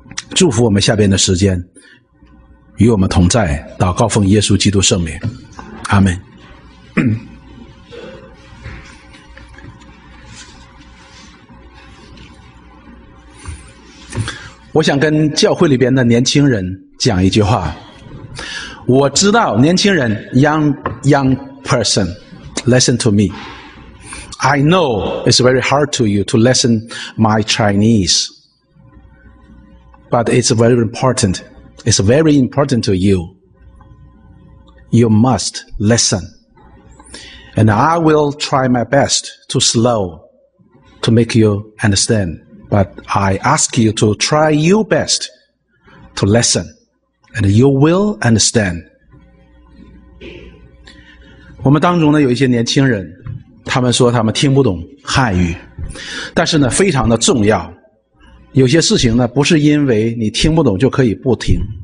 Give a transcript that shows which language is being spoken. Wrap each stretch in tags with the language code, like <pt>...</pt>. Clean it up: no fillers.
<zh>祝福我们下边的时间与我们同在，祷告奉耶稣基督圣名，阿们。我想跟教会里边的年轻人讲一句话。我知道年轻人</zh> <en>young person listen to me, I know it's very hard to you to listen my Chinese, but it's very important, it's very important to you, you must listenAnd I will try my best to slow to make you understand. But I ask you to try your best to listen. And you will understand.</en> <zh>我们当中呢有一些年轻人，他们说他们听不懂汉语。但是呢非常的重要。有些事情呢不是因为你听不懂就可以不听。</zh>